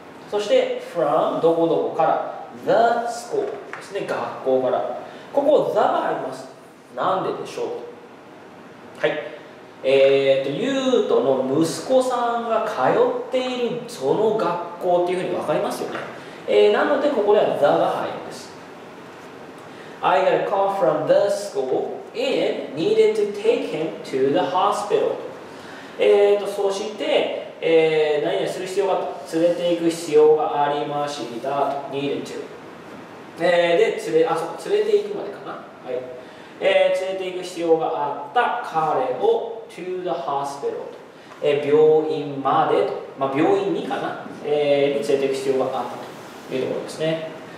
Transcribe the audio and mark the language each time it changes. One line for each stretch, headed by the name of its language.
Japanese: そして、from、どこどこから。the school ですね。学校から。ここ、the があります。なんででしょうと。はい。ユートの息子さんが通っているその学校っていうふうに分かりますよね。なのでここでは the が入るんです。
English: I got a call from the school and needed to take him to the hospital.
Japanese: そして、何々する必要が、連れていく必要がありましたと。
English: needed to。
Japanese: で、連れていくまでかな。はい。連れていく必要があった彼を
English: to the hospital
Japanese: と、病院までと、まあ、病院にかな、に連れていく必要があったというところですね。